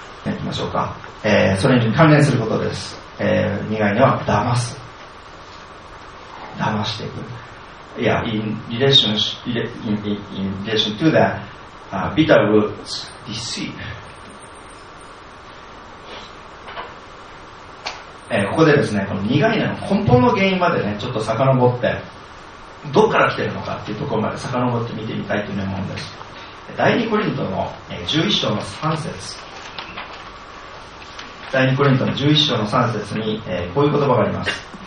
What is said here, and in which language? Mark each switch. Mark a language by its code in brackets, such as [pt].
[ja] いきましょうか、それに関連することです、苦いのは騙す騙していく [en] Yeah, in relation to that、bitter roots deceive、 [ja] ここでですねこの苦いの根本の原因までねちょっと遡ってどこから来てるのかっていうところまで遡って見てみたいという思うんです。第2コリントの11章の3節第2コリントの11章の3節に、こういう言葉があります。